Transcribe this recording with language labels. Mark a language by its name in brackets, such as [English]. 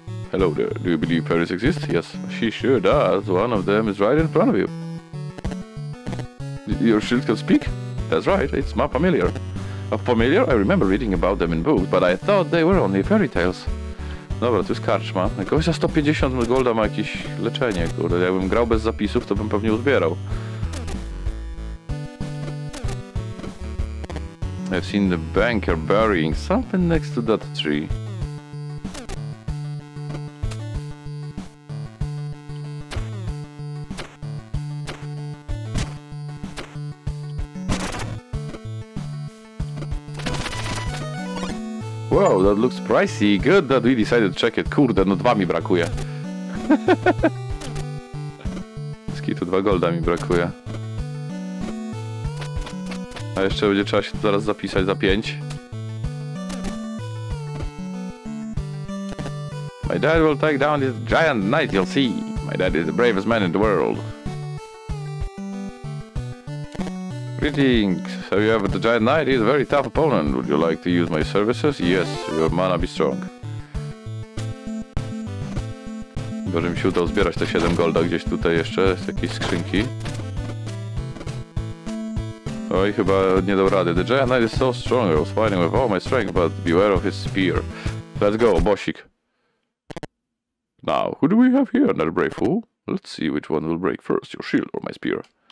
[English] Hello there, do you believe fairies exist? Yes, she sure does. One of them is right in front of you. Your shield can speak? That's right, it's my familiar. A familiar? I remember reading about them in books, but I thought they were only fairy tales. [Polish] Dobra, to jest karczma. Jakoś za 150 golda ma jakieś leczenie, kurde. Jakbym grał bez zapisów, to bym pewnie uzbierał. [English] I've seen the banker burying something next to that tree. Wow, that looks pricey. Good that we decided to check it. [Polish] Kurde, no dwa mi brakuje. Z kitu dwa golda mi brakuje. A jeszcze będzie trzeba się zaraz zapisać za 5. [English] My dad will take down this giant knight, you'll see. My dad is the bravest man in the world. Greetings. So you have the giant knight, he's a very tough opponent. Would you like to use my services? Yes, your mana be strong. [Polish] Boże, mi się udało zbierać te 7 golda gdzieś tutaj jeszcze, z jakiejś skrzynki. Oj, chyba nie dał rady. [English] The giant knight is so strong, I was fighting with all my strength, but beware of his spear. Let's go, bosik. Now, who do we have here, another brave fool? Let's see which one will break first, your shield or my spear.